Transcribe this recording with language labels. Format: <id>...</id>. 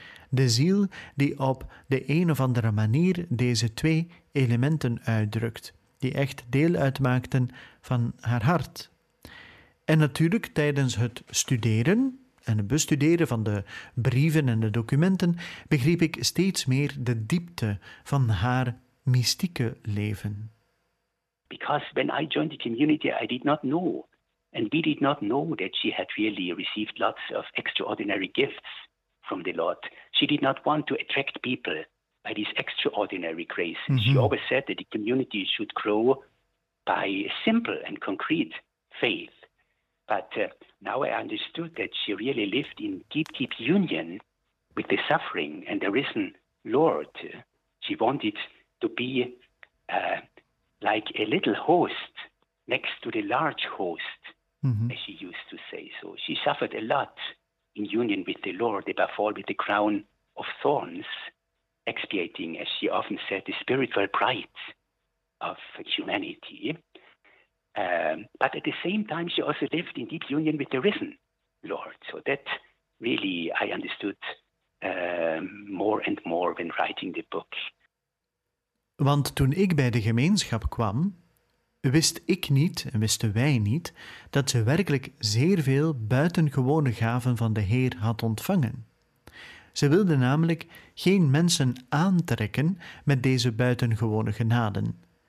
<nl>De ziel die op de een of andere manier deze twee elementen uitdrukt, die echt deel uitmaakten van haar hart. En natuurlijk tijdens het studeren en het bestuderen van de brieven en de documenten begreep ik steeds meer de diepte van haar mystieke leven.</nl> <en>Because when I joined the community, I did not know, and we did not know that she had really received lots of extraordinary gifts from the Lord. She did not want to attract people by this extraordinary grace. Mm-hmm. She always said that the community should grow by simple and concrete faith. But now I understood that she really lived in deep union with the suffering and the risen Lord. She wanted to be like a little host next to the large host, mm-hmm. as she used to say. So she suffered a lot in union with the Lord, above all with the crown of thorns, expiating, as she often said, the spiritual bright of humanity. But at the same time, she also lived in deep union with the risen Lord. So that really I understood more and more when writing the book.</en> <nl>Want toen ik bij de gemeenschap kwam, wist ik niet, en wisten wij niet, dat ze werkelijk zeer veel buitengewone gaven van de Heer had ontvangen. Ze wilde namelijk geen mensen aantrekken met deze buitengewone genaden.</nl>